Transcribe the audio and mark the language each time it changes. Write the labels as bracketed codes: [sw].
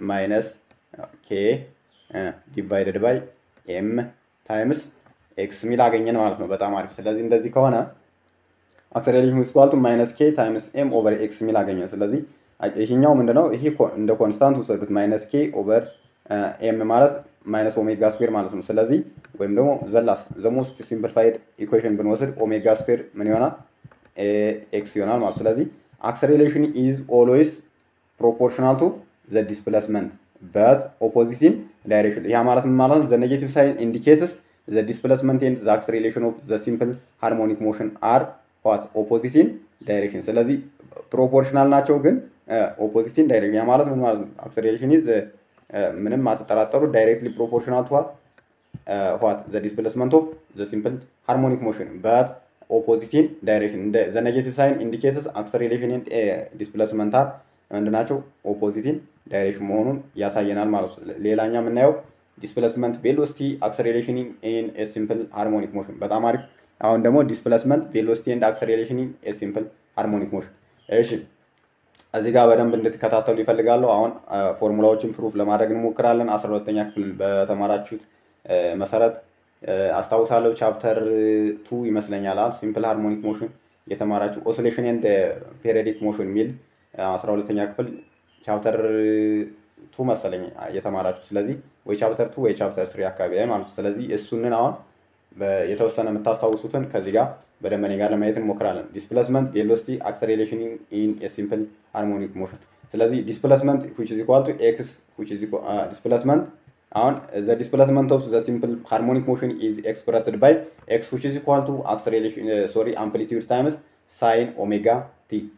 [en] ማይነስ ኬ ዲቫይደድ ባይ ኤም ታይምስ ኤክስ [am] ሚል አገኘን ማለት ነው። በጣም አሪፍ። ስለዚህ እንደዚህ ከሆነ [en] acceleration is equal to minus k times m over x [am] ሚል አገኘን። ስለዚህ ይሄኛው ምንድነው? ይሄ እንደ ኮንስታንት ወሰዱት [en] minus k over m [am] ማለት [en] minus omega square [am] ማለት ነው። ስለዚህ ወይም ደግሞ [en] the most simplified equation [am] ብንወስድ omega square ምን ይሆናል? [en] x [am] ይሆናል ማለት ነው። ስለዚህ [en] acceleration is always proportional to the displacement but opposite in direction. [am] ያ ማለት ምን ማለት ነው? [en] the negative sign indicates the displacement and the acceleration of the simple harmonic motion are what opposite in direction. [am] ስለዚህ proportional ናቸው ግን [en] opposite in direction. [am] ያ ማለት ምን ማለት ነው? [en] acceleration is [am] ምንም አትጠራጠሩ [en] directly proportional to what the displacement of the simple harmonic motion but opposite in direction. the negative sign indicates acceleration and displacement are እንደናቸው opposite in direction [am] መሆኑን ያሳየናል ማለት ነው። ሌላኛ ምን ነው? [en] displacement velocity acceleration in a simple harmonic motion. [am] በጣም አሪፍ። አሁን ደግሞ [en] displacement velocity and acceleration in a simple harmonic motion [am] እሺ፣ እዚህ ጋር በደንብ እንድትከታተሉ ይፈልጋለሁ። አሁን ፎርሙላዎችን ፕሩፍ ለማድረግ እንሞክራለን። 12ኛ ክፍል በተማራችሁት መሰረት አስታውሳለሁ፣ ቻፕተር 2 ይመስለኛል simple harmonic motion የተማራችሁ [en] oscillation and periodic motion [am] ሚል 12ኛ ክፍል ቻፕተር 2 መሰለኝ የተማራችሁ። ስለዚህ ወይ ቻፕተር 2 ወይ ቻፕተር 3 አካባቢ ላይ ማለት ነው። ስለዚህ እሱንን አሁን የተወሰነ የምታስታውሱትን ከዚህ ጋር በደንብ እኔ ጋር ለማየት እንሞክራለን። [en] displacement velocity acceleration in a simple harmonic motion. ስለዚህ displacement which is equal to x which is equal displacement አሁን the displacement of the simple harmonic motion is expressed by x which is equal to acceleration amplitude times sin omega t.